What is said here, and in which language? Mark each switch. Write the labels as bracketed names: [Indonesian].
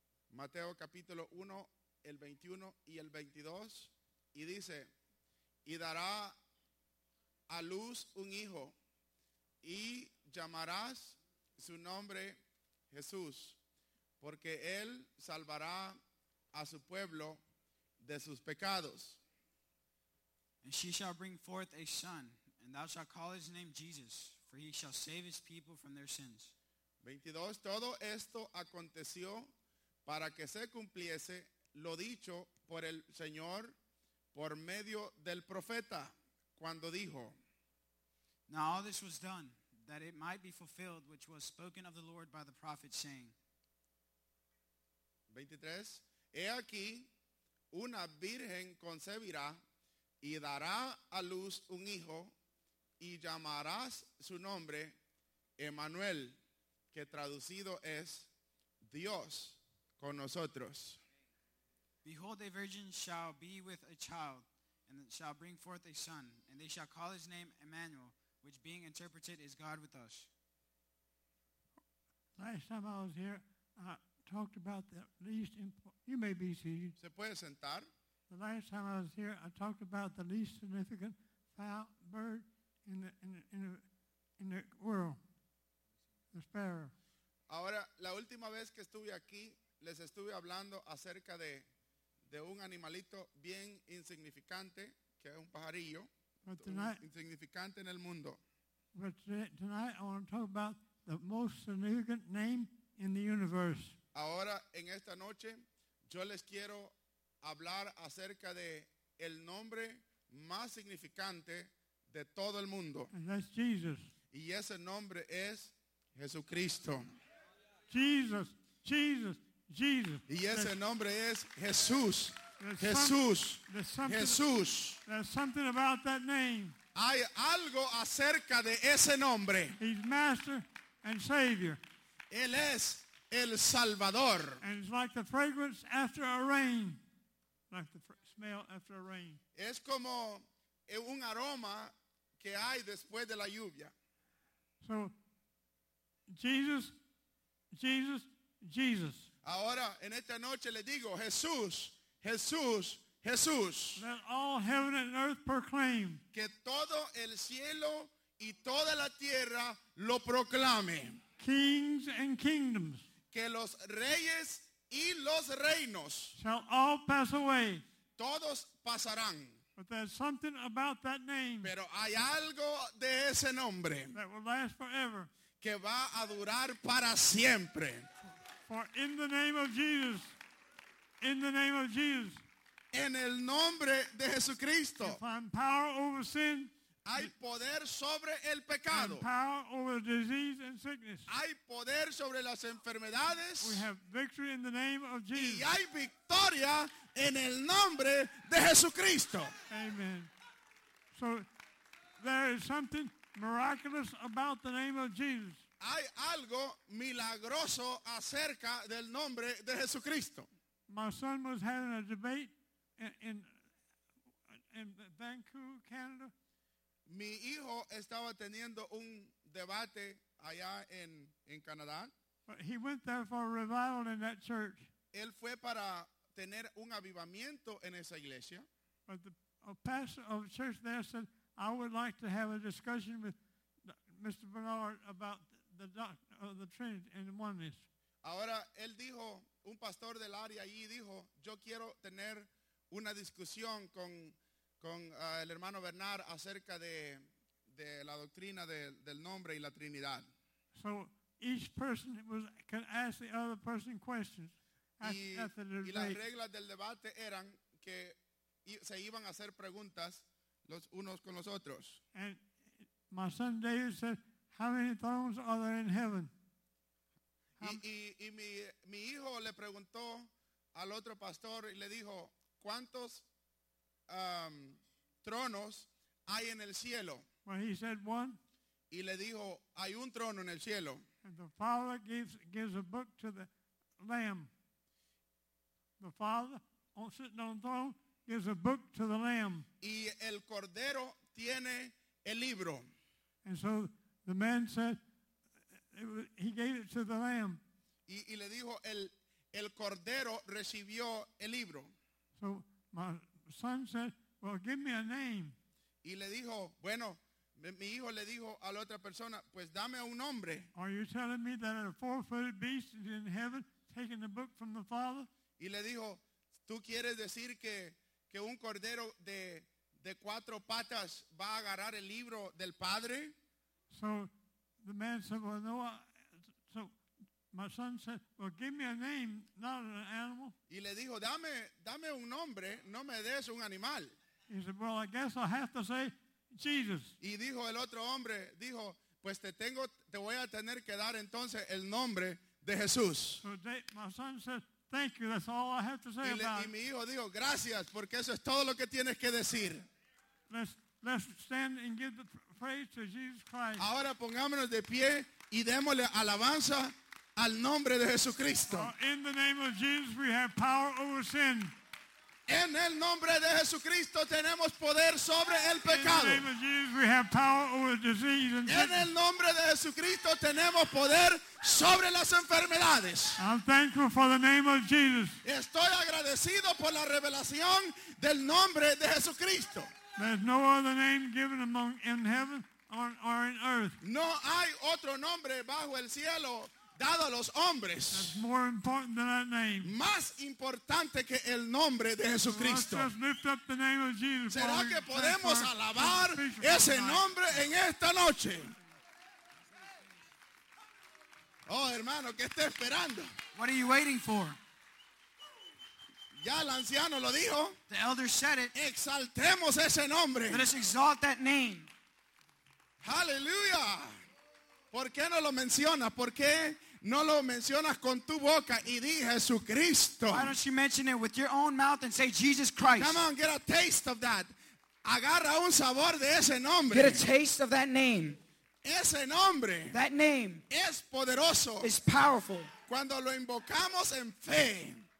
[Spanish] Mateo capítulo 1, el 21 y el 22, y dice: y dará a luz un hijo y llamarás su nombre Jesús, porque él salvará a su pueblo de sus pecados. [English] And she shall bring forth a son, and thou shalt call his name Jesus, for he shall save his people from their sins. [Spanish] 22. Todo esto aconteció para que se cumpliese lo dicho por el Señor por medio del profeta, cuando dijo: [English] now all this was done, that it might be fulfilled which was spoken of the Lord by the prophet, saying. [Spanish] 23. He aquí, una virgen concebirá y dará a luz un hijo, y llamarás su nombre Emmanuel, que traducido es Dios con nosotros. [English] Behold, a virgin shall be with a child, and shall bring forth a son, and they shall call his name Emmanuel, which being interpreted is God with us. Last time I was here, I talked about the least important. You may be seated. [Spanish] ¿Se puede sentar? [English] The last time I was here, I talked about the least significant fowl, bird in the world, the sparrow. [Spanish] Ahora, la última vez que estuve aquí, les estuve hablando acerca de un animalito bien insignificante, que es un pajarillo, [English] but tonight, [Spanish] insignificante en el mundo. [English] But tonight, I want to talk about the most significant name in the universe. [Spanish] Ahora, en esta noche, yo les quiero hablar acerca de el nombre más significante de todo el mundo. [English] And that's Jesus. [Spanish] Y ese nombre es Jesucristo. [English] Jesus, Jesus, Jesus. [Spanish] Y ese [English] there's, [Spanish] nombre es Jesús. Jesús. Jesús. [English] There's something about that name. [Spanish] Hay algo acerca de ese nombre. [English] He's Master and Savior. [Spanish] Él es el Salvador. [English] And it's like the fragrance after a rain. Like the smell after a rain. [Spanish] Es como un aroma que hay después de la lluvia. [English] So, Jesus, Jesus, Jesus. [Spanish] Ahora, en esta noche le digo, Jesús, Jesús, Jesús. [English] Let all heaven and earth proclaim. [Spanish] Que todo el cielo y toda la tierra lo proclame. [English] Kings and kingdoms. [Spanish] Que los reyes y los reinos. [English] Shall all pass away. [Spanish] Todos pasarán. [English] But there's something about that name. [Spanish] Pero hay algo de ese nombre. [English] That will last forever. [Spanish] Que va a durar para siempre. [English] For in the name of Jesus. In the name of Jesus. [Spanish] En el nombre de Jesucristo. [English] If I'm power over sin. [Spanish] Hay poder sobre el pecado. [English] And power over disease and sickness. [Spanish] Hay poder sobre las enfermedades. [English] We have victory in the name of Jesus. [Spanish] Y hay victoria en el nombre de Jesucristo. [English] Amen. So there is something miraculous about the name of Jesus. [Spanish] Hay algo milagroso acerca del nombre de Jesucristo. [English] My son was having a debate in Vancouver, Canada. [Spanish] Mi hijo estaba teniendo un debate allá en Canadá. [English] But he went there for a revival in that church. [Spanish] Él fue para tener un avivamiento en esa iglesia. [English] But the pastor of the church there said, I would like to have a discussion with Mr. Bernard about the doctrine of the Trinity and the oneness. [Spanish] Ahora él dijo, un pastor del área allí dijo, yo quiero tener una discusión con el hermano Bernard acerca de la doctrina del nombre y la Trinidad. [English] So each person could ask the other person questions. [Spanish] Y las reglas del debate eran que se iban a hacer preguntas los unos con los otros. [English] And my son David said, how many thrones are there in heaven? [Spanish] Y mi hijo le preguntó al otro pastor y le dijo, ¿cuántos tronos hay en el cielo? [English] Well, he said one. [Spanish] Y le dijo, hay un trono en el cielo. [English] And the Father gives a book to the Lamb. The Father, sitting on the throne, gives a book to the Lamb. [Spanish] Y el Cordero tiene el libro. [English] And so the man said, he gave it to the Lamb. [Spanish] Y le dijo, el Cordero recibió el libro. [English] So my son said, well, give me a name. [Spanish] Y le dijo, bueno, mi hijo le dijo a la otra persona, pues dame un nombre. [English] Are you telling me that a four-footed beast is in heaven taking the book from the Father? [Spanish] Y le dijo, ¿tú quieres decir que un cordero de cuatro patas va a agarrar el libro del Padre? [English] So the man said, well, no. So my son said, well, give me a name, not an animal. [Spanish] Y le dijo, dame un nombre, no me des un animal. [English] He said, well, I guess I'll have to say Jesus. [Spanish] Y dijo el otro hombre, dijo, pues te voy a tener que dar entonces el nombre de Jesús. [English] So my son said, thank you, that's all I have to say about it. [Spanish] Y mi hijo dijo, gracias, porque eso es todo lo que tienes que decir. [English] Let's stand and give the praise to Jesus Christ. [Spanish] Ahora pongámonos de pie y démosle alabanza al nombre de Jesucristo. [English] In the name of Jesus, we have power over sin. [Spanish] En el nombre de Jesucristo tenemos poder sobre el pecado. [English] In the name of Jesus, we have power over disease. [Spanish] En el nombre de Jesucristo tenemos poder sobre las enfermedades. [English] I'm thankful for the name of Jesus. [Spanish] Estoy agradecido por la revelación del nombre de Jesucristo. [English] There's no other name given among in heaven or in earth. [Spanish] No hay otro nombre bajo el cielo dado a los hombres. [English] That's more important than that name. [Spanish] Más importante que el nombre de Jesucristo. [English] Let's just lift up the name of Jesus. [Spanish] ¿Será que podemos alabar ese nombre en esta noche? Oh, hermano, ¿qué está esperando? [English] What are you waiting for? [Spanish] Ya el anciano lo dijo. [English] The elder said it. [Spanish] Exaltemos ese nombre. [English] Let us exalt that name. [Spanish] Hallelujah. ¿Por qué no lo mencionas? ¿Por qué no lo mencionas con tu boca y di Jesucristo? [English] Why don't you mention it with your own mouth and say Jesus Christ? Come on, get a taste of that. [Spanish] Agarra un sabor de ese nombre. [English] Get a taste of that name. [Spanish] Ese nombre. [English] That name. [Spanish] Es poderoso. [English] Is powerful. [Spanish] Cuando lo invocamos en fe.